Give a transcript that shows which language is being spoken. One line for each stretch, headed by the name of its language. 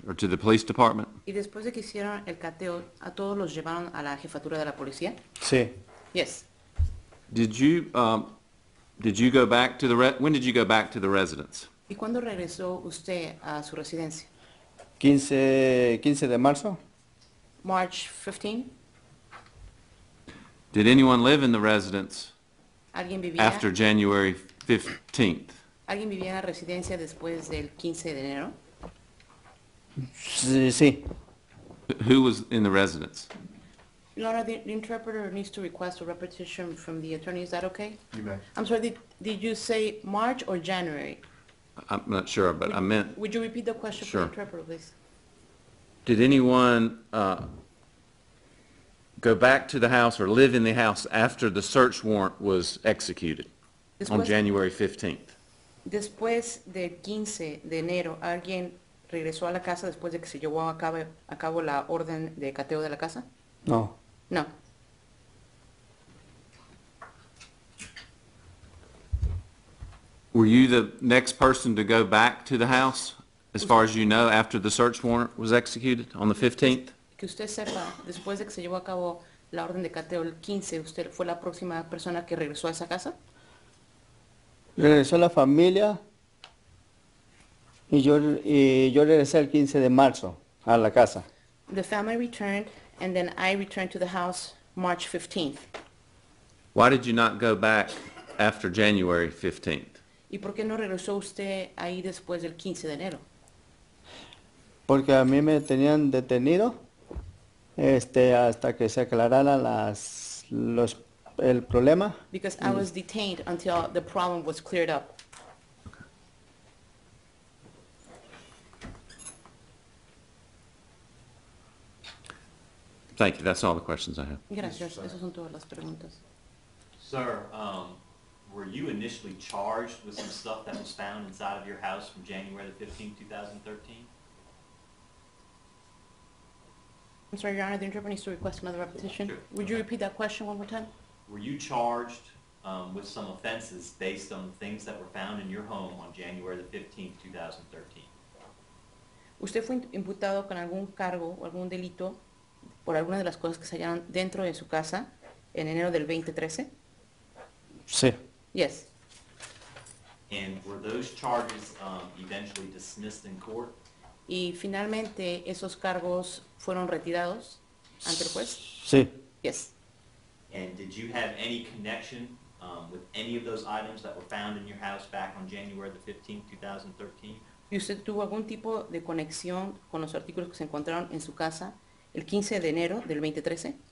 English: Or to the police department?
Spanish: Y después de que hicieron el cateo, a todos los llevaron a la jefatura de la policía? Sí.
English: Yes. Did you go back to the when did you go back to the residence?
Spanish: ¿Y cuándo regresó usted a su residencia? 15 de marzo.
English: March 15. Did anyone live in the residence after January 15th?
Spanish: ¿Alguien vivía en la residencia después del 15 de enero? Sí.
English: Who was in the residence? Your Honor, the interpreter needs to request a repetition from the attorney. Is that okay? You may. I'm sorry, did you say March or January? I'm not sure, but would, I meant... Would you repeat the question sure. for the interpreter, please? Did anyone go back to the house or live in the house after the search warrant was executed
Spanish: después,
English: on January 15th?
Spanish: Después del 15 de enero, ¿alguien regresó a la casa después de que se llevó a cabo la orden de cateo de la casa? No.
English: No. Were you the next person to go back to the house, as far as you know, after the search warrant was executed on the 15th?
Spanish: Que usted sepa, después de que se llevó a cabo la orden de cateo el 15, ¿usted fue la próxima persona que regresó a esa casa? Regresó la familia y yo regresé el 15 de marzo a la casa.
English: The family returned. And then I returned to the house March 15th. Why did you not go back after January 15th?
Spanish: ¿Y por qué no regresó usted ahí después del 15 de enero? Porque a mí me tenían detenido hasta que se aclarara el problema.
English: Because I was detained until the problem was cleared up. Thank you. That's all the questions I have.
Spanish: Gracias. Esas son todas las preguntas.
English: Sir, were you initially charged with some stuff that was found inside of your house from January the 15th, 2013? I'm sorry, Your Honor. The interpreter needs to request another repetition. Sure. Would you repeat that question one more time? Were you charged with some offenses based on things that were found in your home on January the 15th, 2013?
Spanish: ¿Usted fue imputado con algún cargo o algún delito por alguna de las cosas que se hallaron dentro de su casa en enero del 2013? Sí.
English: Yes. And were those charges eventually dismissed in court?
Spanish: ¿Y finalmente esos cargos fueron retirados ante el juez? Sí.
English: Yes. And did you have any connection with any of those items that were found in your house back on January the 15th, 2013?
Spanish: ¿Y usted tuvo algún tipo de conexión con los artículos que se encontraron en su casa el 15 de enero del 2013?